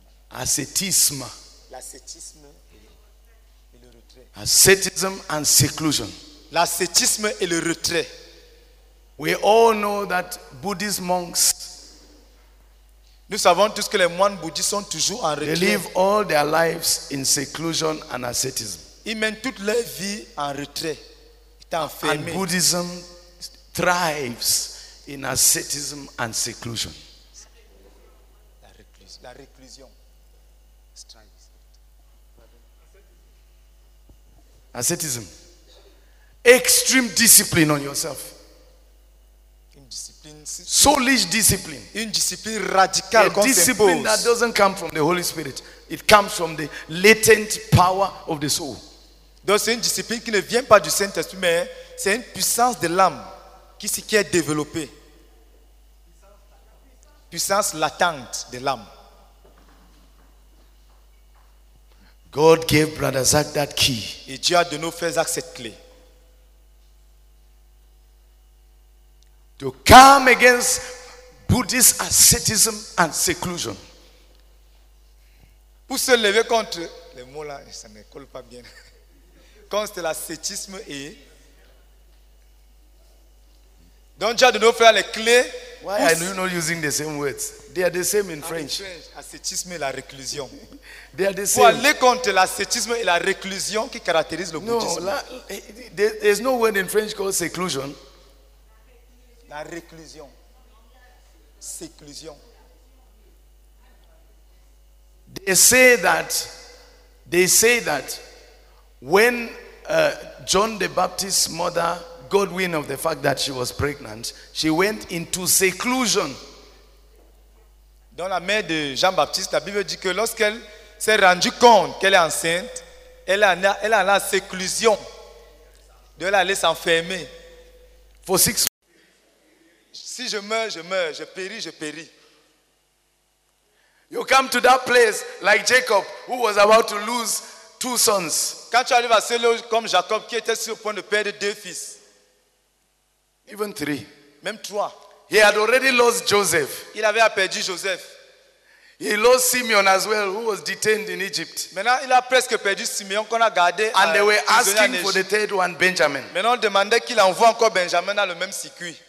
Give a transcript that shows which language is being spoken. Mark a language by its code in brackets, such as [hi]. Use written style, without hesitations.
[fr] Ascétisme. L'ascétisme et le retrait. [en] Asceticism and seclusion. [fr] L'ascétisme et le retrait. [en] We all know that Buddhist monks. [fr] Nous savons tous que les moines bouddhistes sont toujours en retrait. [en] They live all their lives in seclusion and asceticism. [fr] Ils mènent toute leur vie en retrait, étant fermés. [en] And Buddhism thrives in asceticism and seclusion. [fr] La réclusion. [en] Asceticism. Extreme discipline on yourself. Soulish discipline. [fr] Une discipline radicale. [en] A discipline that doesn't come from the Holy Spirit. It comes from the latent power of the soul. [fr] Donc c'est une discipline qui ne vient pas du Saint-Esprit, mais c'est une puissance de l'âme qui est développée. Puissance latente de l'âme. [en] God gave Brother Zach that key. [fr] Et Dieu a donné au frère Zach cette clé. [en] To come against Buddhist asceticism and seclusion. [fr] Pour se lever contre les mots là, ça ne colle pas bien. Contre l'ascétisme et donc Dieu a donné aux frères les clés. [en] Why are you not using the same words? They are the same in French. [fr] Ascétisme et la réclusion. [en] They are the same. [fr] Pour aller contre l'ascétisme et la réclusion qui caractérise le bouddhisme. [en] No, there is no word in French called seclusion. [fr] La réclusion. Séclusion. [en] They say that when John the Baptist's mother got wind of the fact that she was pregnant, she went into seclusion. [fr] Dans la mère de Jean-Baptiste, la Bible dit que lorsqu'elle s'est rendue compte qu'elle est enceinte, elle a la séclusion. Elle allait s'enfermer. [en] For 6 months. [fr] Si je meurs, je meurs. Je péris, je péris. [en] You come to that place like Jacob, who was about to lose two sons. [fr] Quand tu arrives à celui comme Jacob qui était sur le point de perdre deux fils. [en] Even three. [fr] Même trois. [en] He had already lost Joseph. [fr] Il avait perdu Joseph. [en] He lost Simeon as well, who was detained in Egypt. [fr] Maintenant, il a presque perdu Simeon qu'on a gardé. [en] And they were asking for the third one, Benjamin. [fr] Maintenant, on demandait qu'il envoie encore Benjamin dans le même circuit.